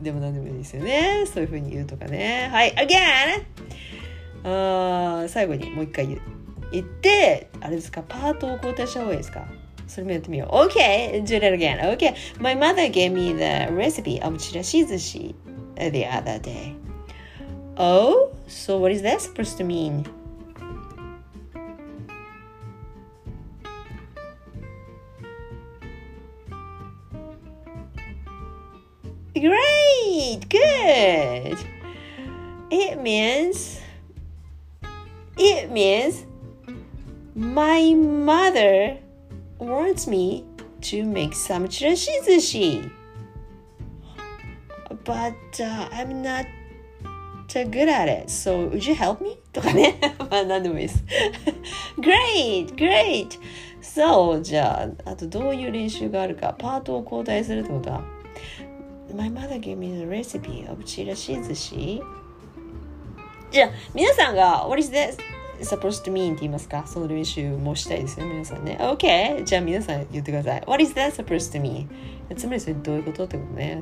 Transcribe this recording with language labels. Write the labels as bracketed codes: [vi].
[ja] でも何でもいいですよね。そういう風に言うとかね。はい、again! 最後にもう一回言って、あれですか、パートを交代した方がいいですか。それもやってみよう。 [en] OK! Do that again. OK! My mother gave me the recipe of チラシ寿司 the other day. Oh? So what is that supposed to mean? Great! Good! means, it means my mother wants me to make some chirashi sushi. But、I'm not good at it. So would you help me? [ja] とかね。まあ何でもいいです。 [en] Great! Great! [ja] So, じゃあ、あとどういう練習があるか。パートを交代するってことは。 [en] My mother gave me the recipe of chirashi sushi. [ja] じゃあ、皆さんが、 [en] What is this supposed to mean? [ja] って言いますか。その練習もしたいですね、皆さんね。 [en] OK! [ja] じゃあ、皆さん言ってください。 [en] What is that supposed to mean? [ja] つまりそれどういうことってことね。